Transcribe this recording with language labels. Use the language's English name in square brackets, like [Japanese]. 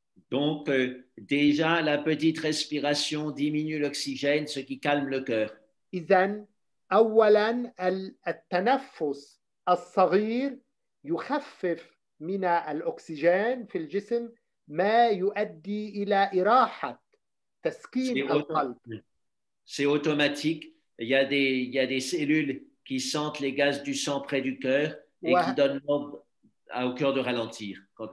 [French] Donc déjà la petite respiration diminue l'oxygène, ce qui calme le cœur. [Arabic] إذن أولا التنفس الصغير يخفف من الأكسجين في الجسم ما يؤدي إلى إراحة تسكين القلب. [French] C'est automatique. Il y a des cellules qui sentent les gaz du sang près du cœur et qui donnent l'ordre au cœur de ralentir quand